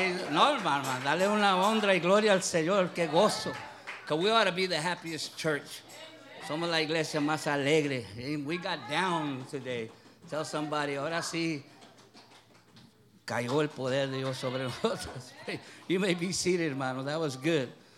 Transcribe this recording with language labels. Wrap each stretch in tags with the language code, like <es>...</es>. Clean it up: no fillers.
<es>No, hermano, dale una honra y gloria al Señor, qué gozo.</es> <en>Because we ought to be the happiest church.</en> <es>Somos la iglesia más alegre.</es> <en>We got down today. Tell somebody,</en> <es>ahora sí, cayó el poder de Dios sobre nosotros.</es> <en>You may be seated, hermano, that was good.</en>